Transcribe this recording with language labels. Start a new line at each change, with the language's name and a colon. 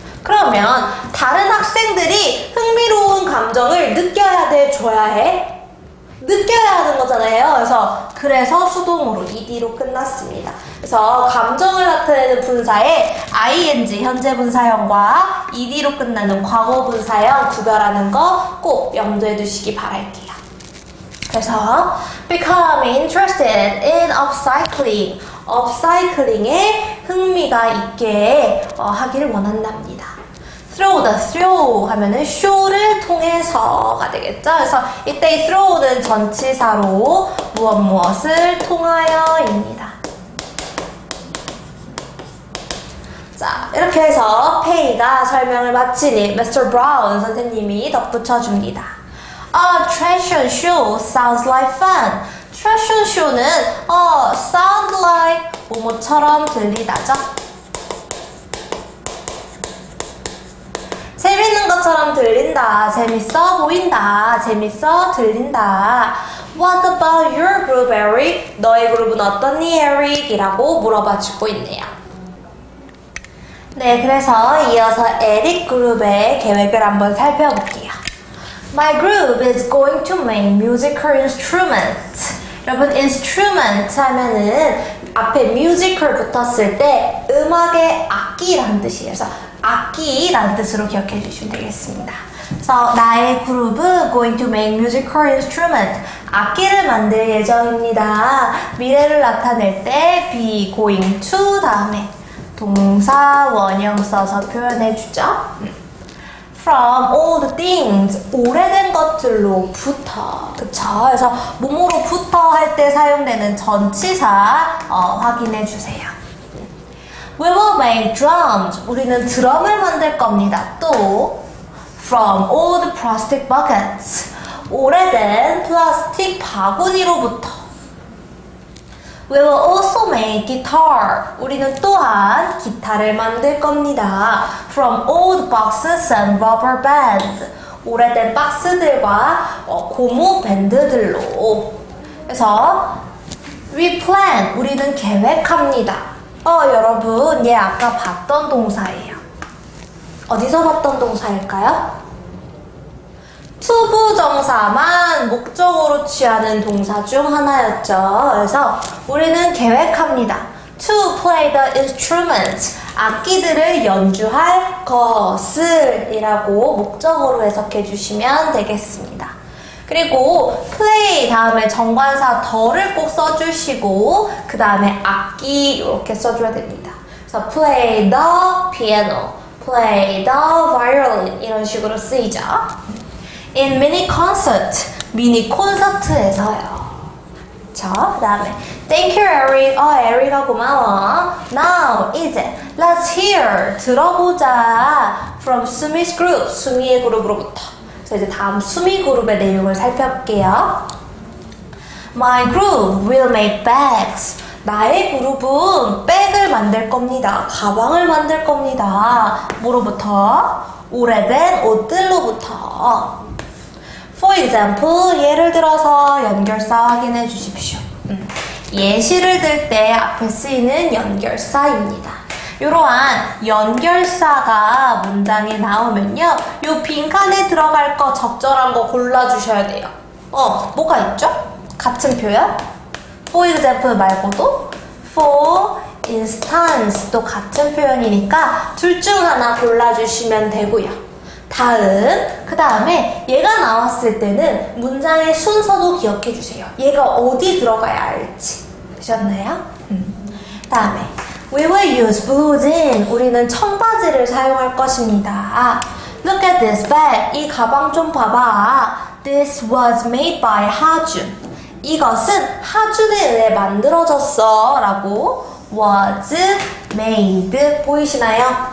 Korean: 그러면 다른 학생들이 흥미로운 감정을 느껴야 돼, 줘야 해? 느껴야 하는 거잖아요. 그래서 수동으로 ED로 끝났습니다. 그래서 감정을 나타내는 분사에 ING 현재 분사형과 ED로 끝나는 과거 분사형 구별하는 거 꼭 염두해 두시기 바랄게요.
English: 그래서 become interested in upcycling.
Korean: upcycling에 흥미가 있게 하기를 원한답니다.
English: through the
Korean: through 하면은 show를 통해서가 되겠죠. 그래서 이때 through는 전치사로 무엇 무엇을 통하여입니다. 자, 이렇게 해서 페이가 설명을 마치니 Mr. Brown 선생님이 덧붙여줍니다.
English: A treasure show sounds like fun.
Korean: Treasure show는 sound like 뭐뭐처럼 들리다죠. 재밌는 것처럼 들린다. 재밌어 보인다. 재밌어 들린다.
English: What about your group, Eric?
Korean: 너의 그룹은 어떠니, Eric? 이라고 물어봐주고 있네요. 네, 그래서 이어서 에릭 그룹의 계획을 한번 살펴볼게요.
English: My group is going to make musical instruments.
Korean: 여러분, instrument 하면은 앞에 musical 붙었을 때 음악의 악기라는 뜻이에요. 그래서 악기라는 뜻으로 기억해 주시면 되겠습니다. 그래서 나의 그룹은
English: going to make musical instruments.
Korean: 악기를 만들 예정입니다. 미래를 나타낼 때
English: be going to
Korean: 다음에 동사 원형 써서 표현해 주죠.
English: From old things,
Korean: 오래된 것들로부터, 그쵸? 그래서 뭐뭐로부터 할 때 사용되는 전치사 확인해 주세요.
English: We will make drums.
Korean: 우리는 드럼을 만들 겁니다. 또
English: From old plastic buckets,
Korean: 오래된 플라스틱 바구니로부터.
English: We will also make guitar.
Korean: 우리는 또한 기타를 만들 겁니다.
English: From old boxes and rubber bands.
Korean: 오래된 박스들과 고무 밴드들로. 그래서
English: we plan.
Korean: 우리는 계획합니다. 여러분, 얘 아까 봤던 동사예요. 어디서 봤던 동사일까요? 투부 정사만 목적으로 취하는 동사 중 하나였죠. 그래서 우리는 계획합니다.
English: To play the instrument.
Korean: 악기들을 연주할 것을 이라고 목적으로 해석해 주시면 되겠습니다. 그리고 play 다음에 정관사 the를 꼭 써주시고 그 다음에 악기 이렇게 써줘야 됩니다. 그래서
English: play the piano, play the violin
Korean: 이런 식으로 쓰이죠.
English: In mini concert,
Korean: 미니 콘서트에서요. 자, 그 다음에
English: Thank you,
Korean: Eric. 에릭아 고마워.
English: Now,
Korean: 이제
English: Let's hear,
Korean: 들어보자.
English: From Sumi's group,
Korean: 수미의 그룹으로부터. 그래서 이제 다음 수미 그룹의 내용을 살펴볼게요.
English: My group will make bags.
Korean: 나의 그룹은 백을 만들 겁니다. 가방을 만들 겁니다. 뭐로부터? 오래된 옷들로부터.
English: For example,
Korean: 예를 들어서 연결사 확인해 주십시오. 예시를 들 때 앞에 쓰이는 연결사입니다. 이러한 연결사가 문장에 나오면요. 이 빈칸에 들어갈 거 적절한 거 골라주셔야 돼요. 뭐가 있죠? 같은 표현?
English: For example
Korean: 말고도
English: For instance
Korean: 도 같은 표현이니까 둘 중 하나 골라주시면 되고요. 다음, 그 다음에 얘가 나왔을 때는 문장의 순서도 기억해 주세요. 얘가 어디 들어가야 할지. 되셨나요? 다음에
English: We will use blue jeans.
Korean: 우리는 청바지를 사용할 것입니다.
English: Look at this bag.
Korean: 이 가방 좀 봐봐.
English: This was made by Ha-jun.
Korean: 이것은 Ha-jun에 의해 만들어졌어. 라고
English: was made
Korean: 보이시나요?